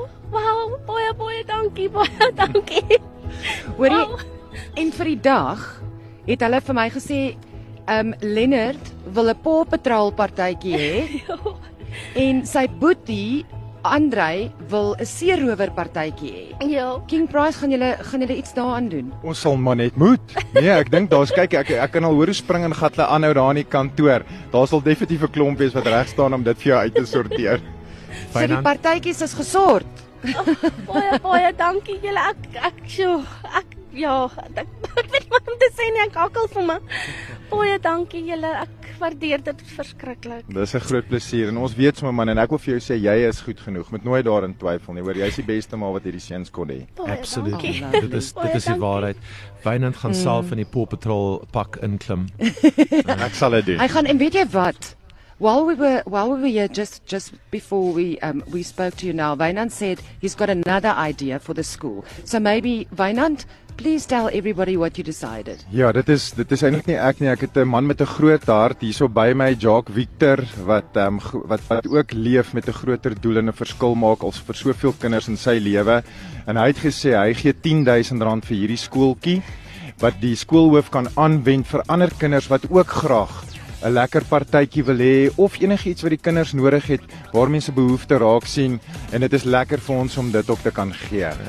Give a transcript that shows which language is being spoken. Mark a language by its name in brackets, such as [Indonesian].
[Afrikaans] Wow, baie, baie dankie, baie dankie. Hoor jy? En vir die dag het hulle vir my gesê, Leonard wil 'n Paw Patrol partytjie hê. En sy boetie, Andrei, wil 'n seerower partytjie hê. Ja. King Price, gaan julle iets daaraan doen? Ons sal maar net moet. Nee, ek dink daar's kyk ek kan al hoor hoe spring en gat hulle aanhou daar in die kantoor. Daar sal definitief 'n klomp wees wat reg staan om dit vir jou uit te sorteer. So die partytjies is gesort. Oh, baie dankie julle. Ek ja, ek weet wat om te sê nie, ek hakkel vir my. Baie dankie julle, ek waardeer dit verskriklik. Dis 'n groot plesier en ons weet sommer man, en ek wil vir jou sê, jy is goed genoeg, moet nooit daarin twyfel nie, hoor, jy is die beste maal wat hierdie seuns kon hê. Absoluut, dit is die waarheid. Wynand gaan self in die Paw Patrol pak inklim. En ek sal dit doen. Hy gaan, en weet jy wat, [English] while we were here, just before we spoke to you now, Wynand said he's got another idea for the school. So maybe, Wynand, please tell everybody what you decided. [Afrikaans] Ja, dit is eintlik nie ek nie. Ek het 'n man met 'n groot hart hierso by my, Jacques Victor, wat ook leef met 'n groter doel en 'n verskil maak als vir soveel kinders in sy lewe. En hy het gesê hy gee R10,000 vir hierdie skooltjie wat die skoolhoof kan aanwend vir ander kinders wat ook graag 'n lekker partytjie wil hê of enigiets wat die kinders nodig het waar mense behoefte raak sien, en dit is lekker vir ons om dit op te kan gee.